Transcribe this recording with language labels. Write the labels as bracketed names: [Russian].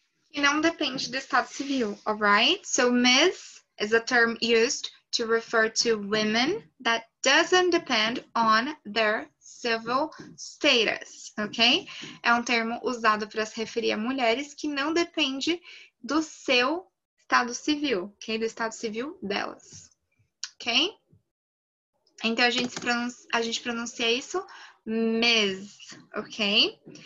[Portuguese] E não depende do estado civil, [English] all right? So, Miss is a term used to refer to women that doesn't depend on their civil status, ok? [Portuguese] É um termo usado para se referir a mulheres que não depende do seu estado civil, ok? Do estado civil delas, ok? Então, a gente pronuncia isso, Miss, ok?